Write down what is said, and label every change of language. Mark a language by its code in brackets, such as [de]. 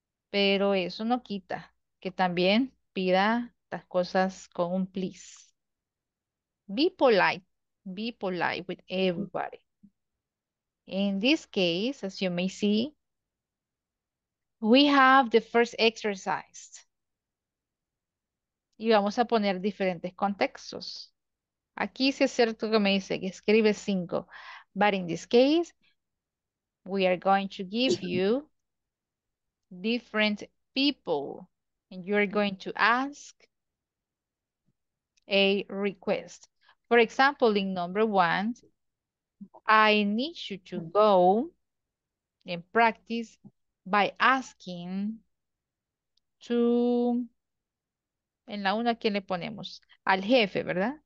[es] Pero eso no quita que también pida las cosas con un please. [en] Be polite with everybody. In this case, as you may see, we have the first exercise. [es] Y vamos a poner diferentes contextos. Aquí sí es cierto que me dice que escribe 5. [en] But in this case, we are going to give you different people. And you are going to ask a request. For example, in number 1, I need you to go and practice by asking to, [es] en la una, ¿quién le ponemos? Al jefe, ¿verdad?